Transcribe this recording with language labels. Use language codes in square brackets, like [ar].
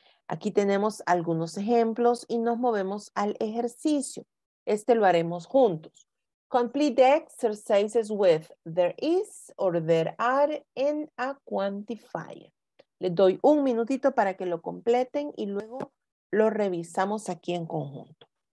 [es] Aquí tenemos algunos ejemplos y nos movemos al ejercicio. Este lo haremos juntos. [en] Complete the exercises with there is or there are and a quantifier. [es] Les doy un minutito para que lo completen y luego lo revisamos aquí en conjunto.